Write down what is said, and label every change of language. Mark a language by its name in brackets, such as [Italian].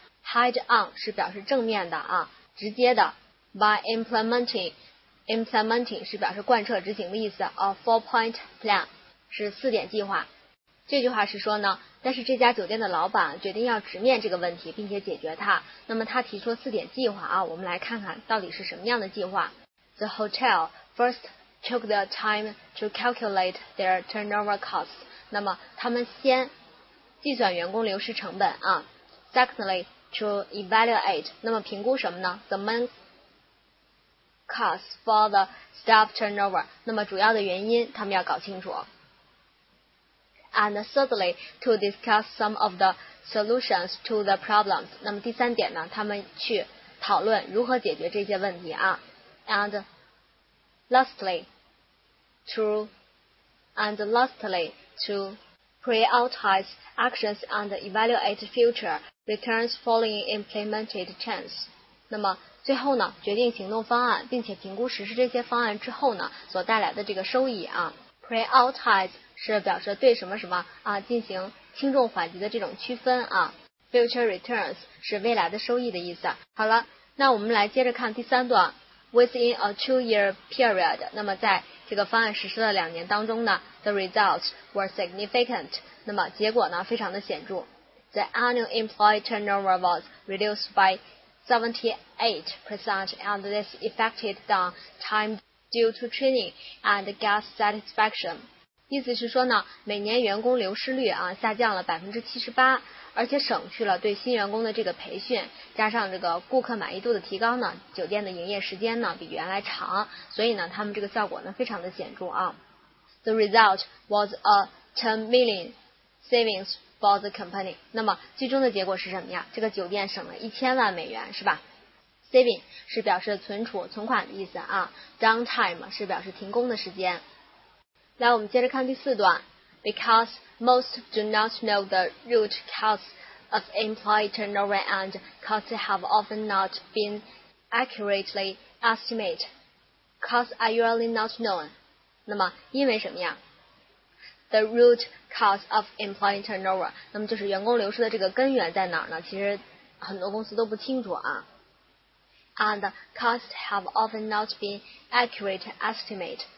[Chinese] Head on 是表示正面的啊，直接的。By implementing 是表示贯彻执行的意思。 A four-point plan 是四点计划。这句话是说呢，但是这家酒店的老板决定要直面这个问题，并且解决它。那么他提出四点计划啊，我们来看看到底是什么样的计划。 [English] The hotel first took the time to calculate their turnover costs. [Chinese] 那么他们先计算员工流失成本啊。 [English] Secondly, to evaluate. [Chinese] 那么评估什么呢？ [English] The main cause for the staff turnover. [Chinese] 那么主要的原因他们要搞清楚。 [English] And thirdly, to discuss some of the solutions to the problems. [Chinese] 那么第三点呢，他们去讨论如何解决这些问题啊。 [English] And lastly, to prioritize actions and evaluate future returns following implemented change. [Chinese] 那么最后呢，决定行动方案，并且评估实施这些方案之后呢，所带来的这个收益啊。 Prioritize 是表示对什么什么啊进行轻重缓急的这种区分啊。 Future returns 是未来的收益的意思。好了，那我们来接着看第三段。 [English] Within a two-year period, [Chinese] 那么在这个方案实施了两年当中呢 , [English] the results were significant, [Chinese] 那么结果呢非常的显著。 [English] The annual employee turnover was reduced by 78% and this affected the time due to training and guest satisfaction. [Chinese] 意思是说呢，每年员工流失率啊下降了 78%,而且省去了对新员工的这个培训，加上这个顾客满意度的提高呢，酒店的营业时间呢比原来长，所以呢他们这个效果呢非常的显著啊。 [English] The result was a 10 million savings for the company. [Chinese] 那么最终的结果是什么呀？这个酒店省了$10,000,000是吧？Saving 是表示存储存款的意思啊。 Downtime 是表示停工的时间。来，我们接着看第四段。 [English] Because most do not know the root cause of employee turnover and costs have often not been accurately estimated. Costs are usually not known. [Chinese] 那么因为什么呀？ [English] The root cause of employee turnover. [Chinese] 那么就是员工流失的这个根源在哪儿呢？其实很多公司都不清楚啊。 [English] And costs have often not been accurately estimated.